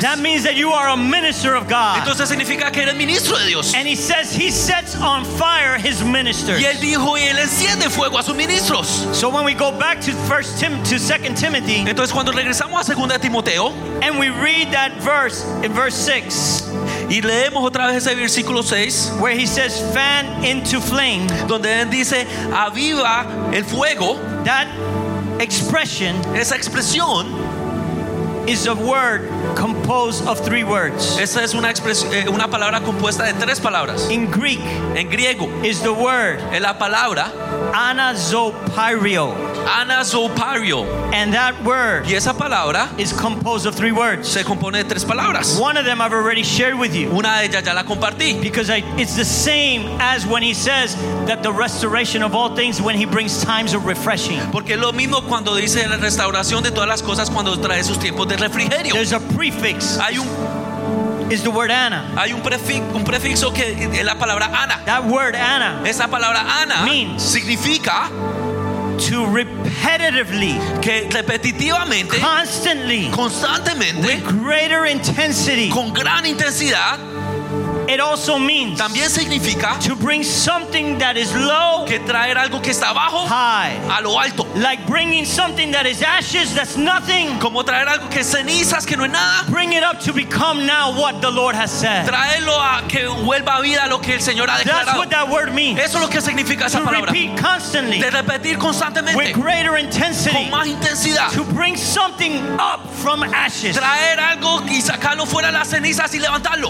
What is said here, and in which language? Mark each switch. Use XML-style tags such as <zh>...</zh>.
<en>That means that you are a minister of God.</en> <es>Entonces significa que eres ministro de Dios.</es> <en>And he says he sets on fire his ministers.</en> <es>Y él dijo y él enciende fuego a sus ministros.</es> <en>So when we go back to 2 Timothy,</en> <es>entonces cuando regresamos a 2 Timoteo,</es> <en>and we read that verse in verse 6,</en> <es>Y leemos otra vez ese versículo 6,</es> <en>where he says fan into flame,</en> <es>donde él dice aviva el fuego.</es> <en>That expression,</en> <es>esa expresión,</es> <en>is a word composed of three words.</en> <es>Esa es una expresión, una palabra compuesta de tres palabras.</es> <en>In Greek,</en> <es>en griego,</es> <en>is the word,</en> <es>es la palabra</es> <en>anazopario.</en> <es>Anazopario.</es> <en>And that word,</en> <es>y esa palabra,</es> <en>is composed of three words.</en> <es>Se compone de tres palabras.</es> <en>One of them I've already shared with you.</en> <es>Una de ellas ya la compartí.</es> <en>Because it's the same as when he says that the restoration of all things, when he brings times of refreshing.</en> <es>Porque lo mismo cuando dice la restauración de todas las cosas cuando trae sus tiempos de refrigerio.</es> <en>There's a prefix.</en> <es>Hay un</es> <en>is the word Anna.</en> <es>Hay un prefijo que es la palabra Anna.</es> <en>That word Anna.</en> <es>Esa palabra Anna</es> <en>means</en> <es>significa</es> <en>to repetitively,</en> <es>que repetitivamente,</es> <en>constantly,</en> <es>constantemente,</es> <en>with greater intensity,</en> <es>con gran intensidad.</es> <en>It also means</en> <es>también significa</es> <en>to bring something that is low,</en> <es>que traer algo que está abajo,</es> <en>high,</en> <es>a lo alto.</es> <en>Like bringing something that is ashes, that's nothing,</en> <es>como traer algo que es cenizas, que no es nada.</es> <en>Bring it up to become now what the Lord has said.</en> <es>Traerlo a que vuelva a vida lo que el Señor ha declarado.</es> <en>That's what that word means.</en> <es>Eso es lo que significa esa palabra.</es> <en>To repeat constantly,</en> <es>de repetir constantemente,</es> <en>with greater intensity,</en> <es>con más intensidad.</es> <en>To bring something up from ashes,</en> <es>traer algo y sacarlo fuera de las cenizas y levantarlo.</es>